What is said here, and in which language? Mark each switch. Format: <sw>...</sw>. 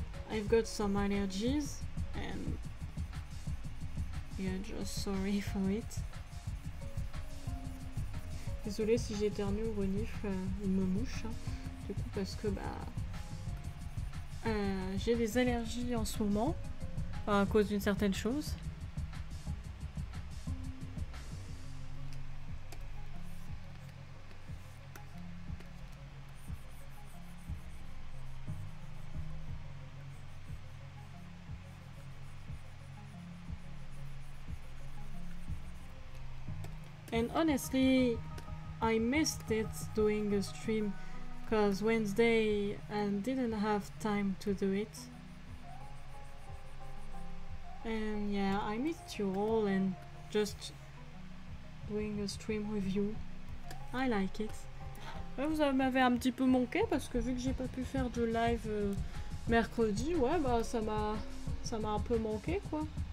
<en>I've got some allergies and yeah, just sorry for it.</en> <fr>Désolée si j'éternue ou renifle ou me mouche. Hein. Du coup, parce que bah. J'ai des allergies en ce moment. Enfin, à cause d'une certaine chose.</fr> <en>And honestly, I missed it doing a stream because Wednesday and didn't have time to do it. And yeah, I missed you all and just doing a stream with you. I like it.</en> <fr>Vous m'avez un petit peu manqué parce que vu que j'ai pas pu faire de live mercredi, ouais bah ça m'a un peu manqué quoi.</fr>